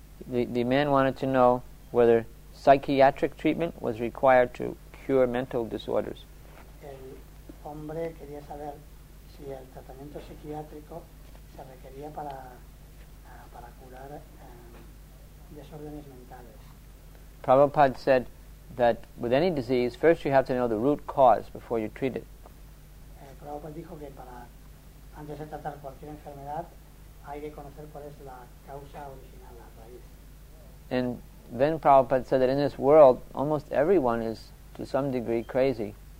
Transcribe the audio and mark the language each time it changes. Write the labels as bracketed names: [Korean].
[English] The man wanted to know whether psychiatric treatment was required to cure mental disorders. [Spanish] El hombre quería saber si el tratamiento psiquiátrico se requería para curar desórdenes mentales. [English] Prabhupada said that with any disease, first you have to know the root cause before you treat it. [Spanish] Prabhupada dijo que para antes de tratar cualquier enfermedad hay que conocer cuál es la causa original, la raíz. [English] And then Prabhupada said that in this world, almost everyone is, to some degree, crazy.